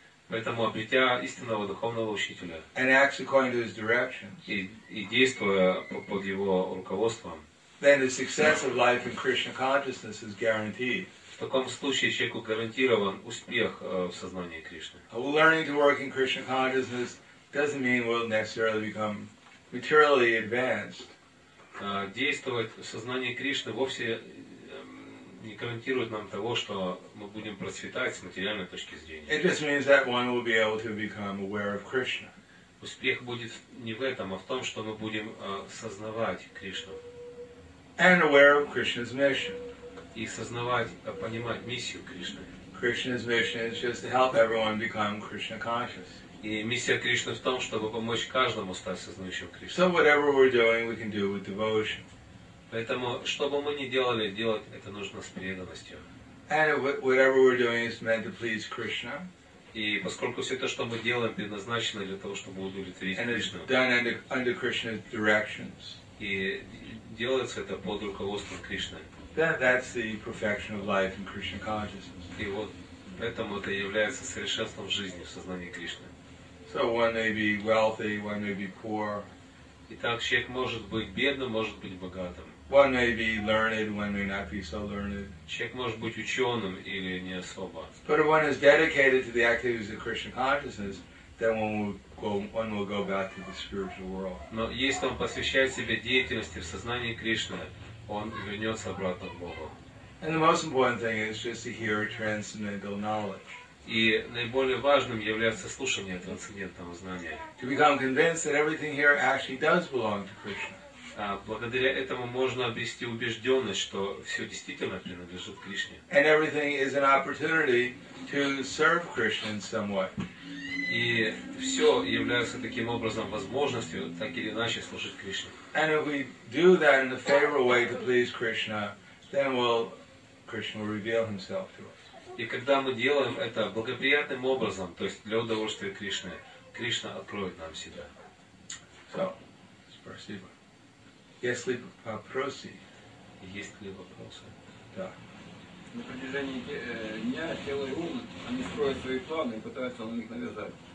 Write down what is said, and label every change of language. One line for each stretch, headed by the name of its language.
Russian: Поэтому обретя истинного духовного учителя.
English: And acts according to his directions.
Russian: И действуя под его руководством.
English: Then the success of life in Krishna consciousness is guaranteed.
Russian: В таком случае человеку гарантирован успех в сознании Кришны.
English: Learning to work in Krishna consciousness doesn't mean we'll necessarily become materially advanced.
Russian: Действовать в сознании Кришны вовсе не гарантирует нам того, что мы будем процветать с материальной точки зрения.
English: It just means that one will be able to become aware of Krishna.
Russian: Успех будет не в этом, а в том, что мы будем сознавать Кришну.
English: And aware of Krishna's mission.
Russian: И сознавать, понимать миссию Кришны.
English: Krishna's mission is just to help everyone become Krishna conscious.
Russian: И миссия Кришны в том, чтобы помочь каждому стать сознающим Кришну.
English: So whatever we're doing, we can do with devotion.
Russian: Поэтому, что бы мы ни делали, делать это нужно с преданностью.
English: And whatever we're doing is meant to please Krishna.
Russian: И поскольку все то, что мы делаем, предназначено для того, чтобы удовлетворить Кришну.
English: And it's done under Krishna's directions.
Russian: И делается это под руководством Кришны.
English: Then that's the perfection of life in Krishna consciousness.
Russian: И вот поэтому это является совершенством жизни в сознании Кришны.
English: So one may be wealthy, one may be poor.
Russian: Итак, человек может быть бедным, может быть богатым.
English: One may be learned, one may not be so learned.
Russian: Человек может быть ученым или не особо.
English: But if one is dedicated to the activities of Krishna consciousness, then one will go back to the spiritual world.
Russian: Но если он посвящает себя деятельности в сознании Кришны, он вернется обратно к Богу.
English: And the most important thing is just to hear transcendental knowledge.
Russian: И наиболее важным является слушание трансцендентного знания.
English: To become convinced that everything here actually does belong to Krishna.
Russian: Благодаря этому можно обрести убежденность, что все действительно принадлежит Кришне.
English: And everything is an opportunity to serve Krishna in some way.
Russian: И все является таким образом возможностью так или иначе служить Кришне.
English: And if we do that in a favorable way to please Krishna, then Krishna will reveal himself to us.
Russian: И когда мы делаем это благоприятным образом, то есть для удовольствия Кришны, Кришна откроет нам себя. So, спасибо. Есть ли вопросы? Есть ли вопросы? Да. На протяжении дня тело и ум, они строят свои планы и пытаются на них навязать.